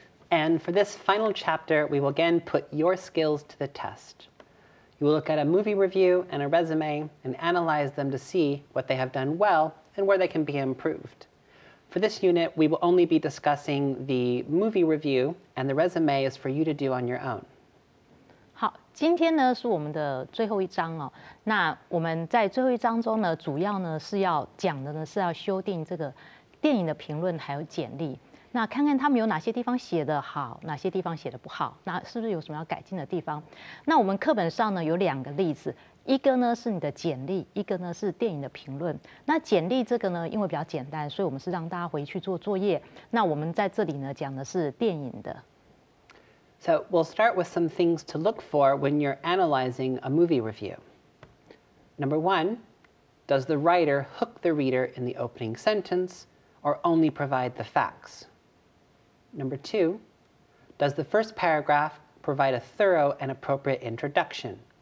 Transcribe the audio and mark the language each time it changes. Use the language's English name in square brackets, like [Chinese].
[English] And for this final chapter, we will again put your skills to the test. You will look at a movie review and a resume and analyze them to see what they have done well and where they can be improved. For this unit, we will only be discussing the movie review and the resume is for you to do on your own. [Chinese] 好，今天呢是我们的最后一章哦。那我们在最后一章中呢，主要呢是要讲的呢是要修订这个电影的评论还有简历。那看看他们有哪些地方写得好，哪些地方写得不好，那是不是有什么要改进的地方？那我们课本上呢有两个例子，一个呢是你的简历，一个呢是电影的评论。那简历这个呢，因为比较简单，所以我们是让大家回去做作业。那我们在这里呢讲的是电影的。 [English] So we'll start with some things to look for when you're analyzing a movie review. Number one, does the writer hook the reader in the opening sentence, or only provide the facts? Number two, does the first paragraph provide a thorough and appropriate introduction?